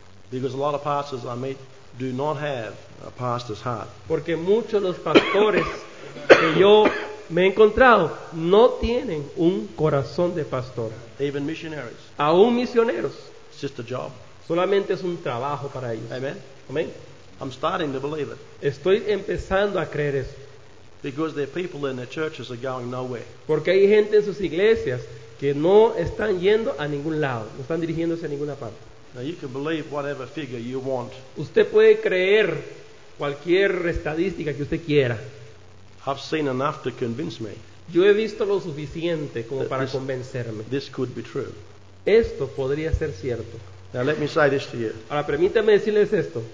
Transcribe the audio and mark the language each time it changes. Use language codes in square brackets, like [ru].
[en] Because a lot of pastors I meet do not have a pastor's heart. [es] Porque muchos de los pastores que yo me he encontrado no tienen un corazón de pastor. [en] Even missionaries. [es] Aún misioneros. [en] It's just a job. [es] Solamente es un trabajo para ellos. [en] Amen. [es] Amen. [en] I'm starting to believe it. [es] Estoy empezando a creer eso. [en] Because their people in their churches are going nowhere. [es] Porque hay gente en sus iglesias que no están yendo a ningún lado, no están dirigiéndose a ninguna parte. [en] Now you can believe whatever figure you want. [es] Usted puede creer cualquier estadística que usted quiera. [en] I've seen enough to convince me. [es] Yo he visto lo suficiente como para convencerme. [en] This could be true. [es] Esto podría ser cierto. [en] Now let me say this to you. [es] Ahora permítame decirles esto.